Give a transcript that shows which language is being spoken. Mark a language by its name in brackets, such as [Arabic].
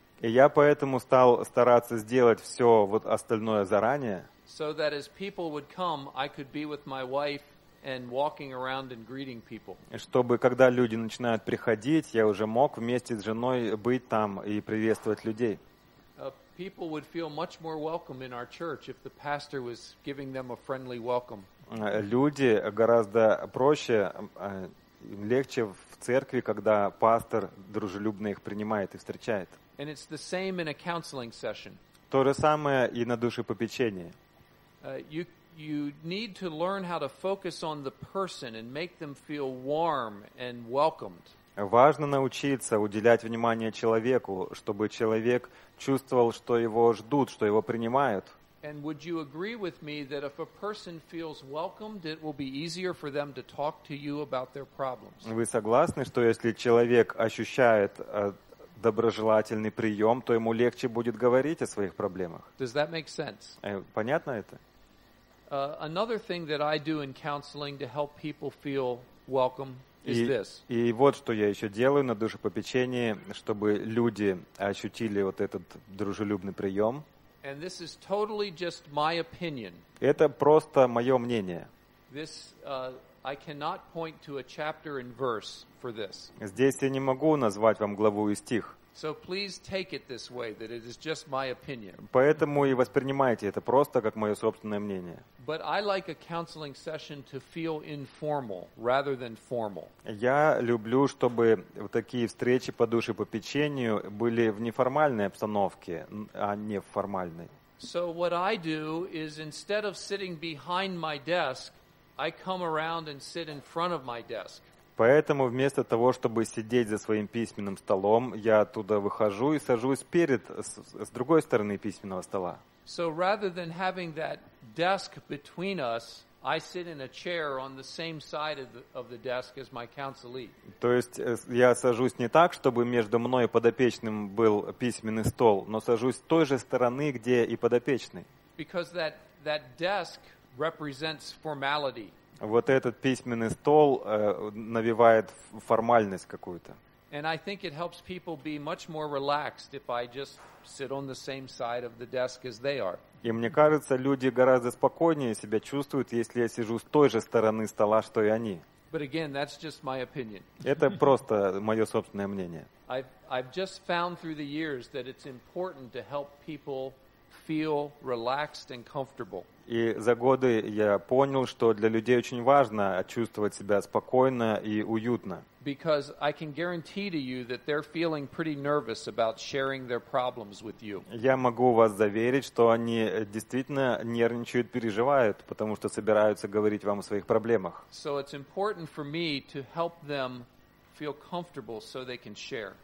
[Russian] И я поэтому стал стараться сделать все вот остальное заранее. [English] So that as people would come, I could be with my wife and walking around and greeting people. [Russian] Чтобы когда люди начинают приходить, я уже мог вместе с женой быть там и приветствовать людей. [English] People would feel much more welcome in our church if the pastor was giving them a friendly welcome. [Russian] Люди гораздо проще, легче в церкви, когда пастор дружелюбно их принимает и встречает. [English] And it's the same in a counseling session. [Russian] То же самое и на душепопечении. [English] You need to learn how to focus on the person and make them feel warm and welcomed. [Russian] Важно научиться уделять внимание человеку, чтобы человек чувствовал, что его ждут, что его принимают. [English] And would you agree with me that if a person feels welcomed, it will be easier for them to talk to you about their problems? [Russian] Вы согласны, что если человек ощущает доброжелательный прием, то ему легче будет говорить о своих проблемах? [English] Does that make sense? [Russian] Понятно это? [English] Another thing that I do in counseling to help people feel welcome is this. [Russian] И вот что я еще делаю на душепопечении, чтобы люди ощутили вот этот дружелюбный прием. [English] And this is totally just my opinion. [Russian] Это просто мое мнение. [English] This, I cannot point to a chapter and verse for this. [Russian] Здесь я не могу назвать вам главу и стих. [English] So please take it this way, that it is just my opinion. [Russian] Поэтому и воспринимайте это просто как мое собственное мнение. [English] But I like a counseling session to feel informal rather than formal. [Russian] Я люблю, чтобы такие встречи по душе по печенью были в неформальной обстановке, а не в формальной. [English] So what I do is instead of sitting behind my desk, I come around and sit in front of my desk. [Russian] Поэтому вместо того, чтобы сидеть за своим письменным столом, я оттуда выхожу и сажусь перед, с другой стороны письменного стола. [English] So rather than having that desk between us, I sit in a chair on the same side of the desk as my counselee. [Russian] То есть я сажусь не так, чтобы между мной и подопечным был письменный стол, но сажусь с той же стороны, где и подопечный. [English] Because that desk represents formality. [Russian] Вот этот письменный стол навевает формальность какую-то. [English] And I think it helps people be much more relaxed if I just sit on the same side of the desk as they are. [Russian] И мне кажется, люди гораздо спокойнее себя чувствуют, если я сижу с той же стороны стола, что и они. [English] But again, that's just my opinion. [Russian] Это просто мое собственное мнение. [English] I've just found through the years that it's important to help people feel relaxed and comfortable. [Russian] И за годы я понял, что для людей очень важно чувствовать себя спокойно и уютно. [English] Because I can guarantee to you that they're feeling pretty nervous about sharing their problems with you. [Russian] Я могу вас заверить, что они действительно нервничают, переживают, потому что собираются говорить вам о своих проблемах. [English] So it's important for me to help them feel comfortable so they can share.